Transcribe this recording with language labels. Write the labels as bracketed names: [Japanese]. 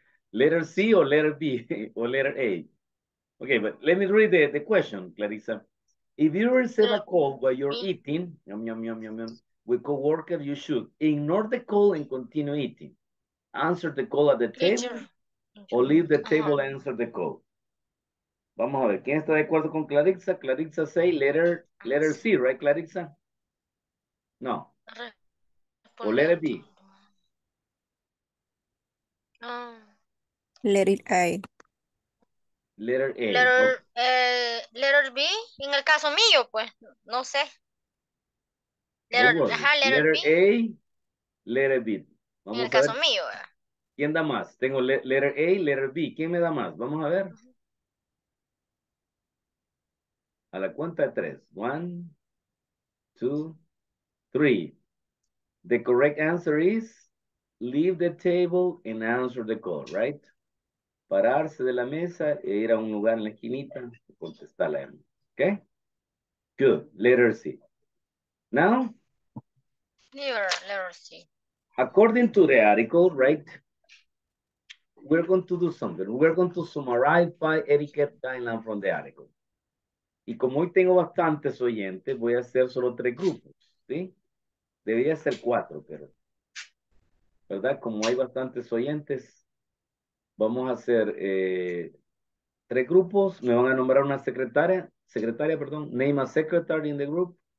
[English] Letter C or letter B or letter A. Okay, but let me read the question, Clarissa. If you receive a call while you're eating, with coworker, you should ignore the call and continue eating. Answer the call at the table or leave the table and answer the call. [Spanish] Vamos a ver, ¿quién está de acuerdo con Clarissa? [English] Clarissa say letter C, right, Clarissa? No. O let it be. Let it A. Letter A. Letter B. [Spanish] En el caso mío, pues, no sé. [English] Letter B. Letter A. Letter B. [Spanish] Vamos en el caso mío. ¿Quién da más? Tengo [English] letter A, letter B. [Spanish] ¿Quién me da más? Vamos a ver. A la cuenta de tres. [English] One, two, three. The correct answer is leave the table and answer the call, right? [Spanish] Pararse de la mesa e ir a un lugar en la esquinita y contestar la M. [English] Okay? Good. Letter C. Now? Letter C. According to the article, right? We're going to do something. We're going to summarize five etiquette guidelines from the article. [Spanish] Y como hoy tengo bastantes oyentes, voy a hacer solo tres grupos, ¿sí? Debería ser cuatro, pero... ¿verdad? Como hay bastantes oyentes, vamos a hacer tres grupos. Me van a nombrar una secretaria. Secretaria, perdón. [English] Name a secretary in the group.